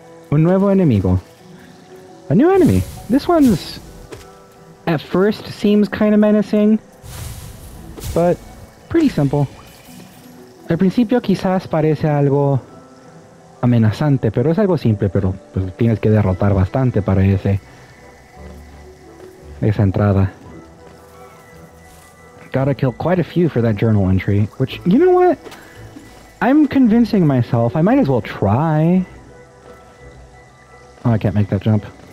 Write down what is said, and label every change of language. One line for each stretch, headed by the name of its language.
Spanish: Un nuevo enemigo.
English: A new enemy. This one's at first seems kind of menacing, but pretty simple.
Spanish: Al principio quizás parece algo amenazante, pero es algo simple, pero pues, tienes que derrotar bastante para esa entrada.
English: gotta kill quite a few for that journal entry, which, you know what? I'm convincing myself I might as well try. Oh, I can't make that jump.